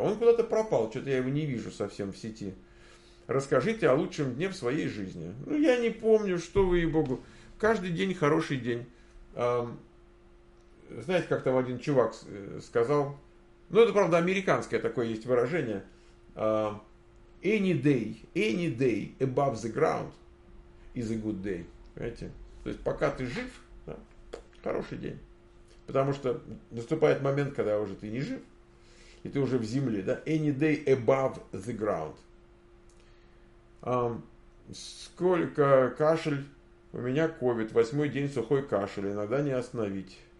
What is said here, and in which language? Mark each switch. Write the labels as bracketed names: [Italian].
[Russian] Он куда-то пропал, что-то я его не вижу совсем в сети. Расскажите о лучшем дне в своей жизни. Ну, я не помню, что вы, ей-богу. Каждый день хороший день. Знаете, как там один чувак сказал... Ну, это, правда, американское такое есть выражение. [English] Any day above the ground is a good day. [Russian] Понимаете? То есть, пока ты жив, да, хороший день. Потому что наступает момент, когда уже ты не жив, и ты уже в земле. Да? [English] Any day above the ground. [Russian] Сколько кашель? У меня COVID. 8-й день сухой кашель. Иногда не остановить.